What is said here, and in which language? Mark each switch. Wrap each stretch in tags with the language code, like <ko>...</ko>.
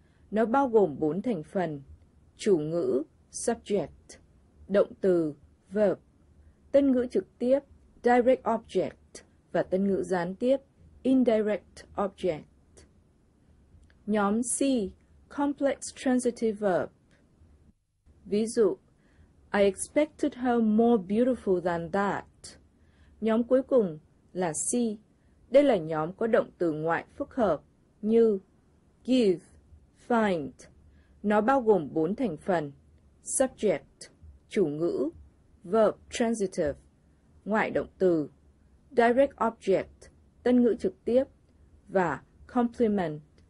<vi>Nó bao gồm 4 thành phần: chủ ngữ, subject, động từ, verb, tân ngữ trực tiếp, direct object, và tân ngữ gián tiếp, indirect object.</vi> <en>Nhóm C, complex transitive verb.</en> <vi>Ví dụ,</vi> <en>I expected her more beautiful than that.</en> <vi>Nhóm cuối cùng là C. Đây là nhóm có động từ ngoại phức hợp như give, find. Nó bao gồm 4 thành phần: subject, chủ ngữ, verb transitive, ngoại động từ, direct object, tân ngữ trực tiếp, và complement.</vi>